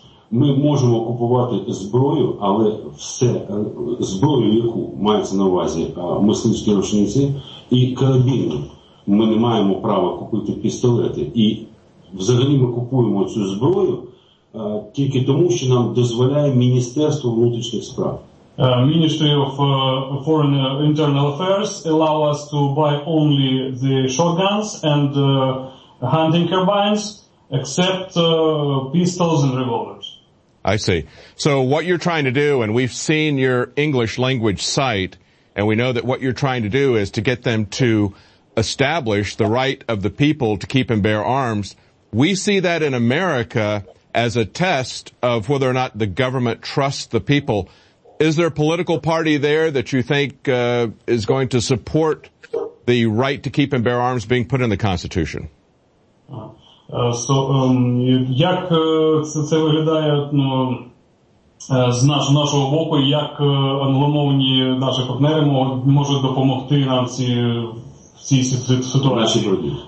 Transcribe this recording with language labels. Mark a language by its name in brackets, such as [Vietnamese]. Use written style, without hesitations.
[Ukrainian] Ми можемо купувати зброю, але все зброю, яку мається на увазі мисливські рушниці і карабіни, ми не маємо права купити пістолети. І взагалі ми купуємо цю зброю тільки тому, що нам дозволяє Міністерство внутрішніх справ. [English] Ministry of Foreign Internal Affairs allow us to buy only the shotguns and hunting carbines, except pistols and revolvers. I see. So what you're trying to do, and we've seen your English language site, and we know that what you're trying to do is to get them to establish the right of the people to keep and bear arms. We see that in America as a test of whether or not the government trusts the people. Is there a political party there that you think is going to support the right to keep and bear arms being put in the Constitution? [Ukrainian] Як це виглядає, з нашого боку, як англомовні наші партнери можуть допомогти нам в цій ситуації?